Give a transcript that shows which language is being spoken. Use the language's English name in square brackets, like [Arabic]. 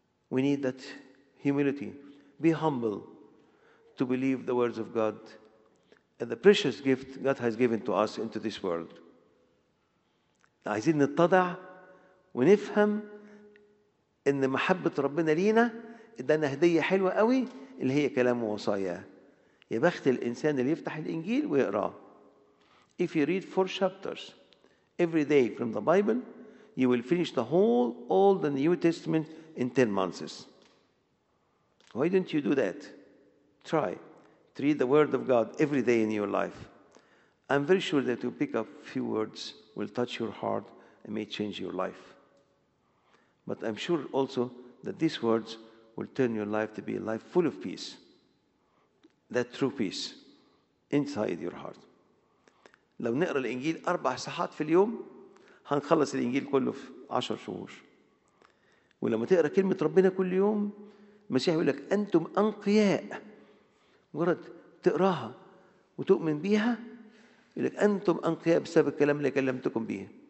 [English] We need that humility. Be humble to believe the words of God and the precious gift God has given to us into this world. [Arabic] عايزين نتضع ونفهم إن محبة ربنا لينا إدانا هدية حلوة قوي اللي هي كلامه ووصاياه. يا بخت الإنسان اللي يفتح الإنجيل ويقرأ. [English] If you read four chapters every day from the Bible, you will finish the whole Old and New Testament in 10 months. Why don't you do that? Try to read the Word of God every day in your life. I'm very sure that you pick up a few words will touch your heart and may change your life. But I'm sure also that these words will turn your life to be a life full of peace, that true peace inside your heart. [Arabic] لو نقرأ الإنجيل أربع صفحات في اليوم هنخلص الإنجيل كله في 10 شهور. ولما تقرأ كلمة ربنا كل يوم المسيح يقول لك أنتم أنقياء. مجرد تقراها وتؤمن بيها يقول لك أنتم أنقياء بسبب الكلام اللي كلمتكم به.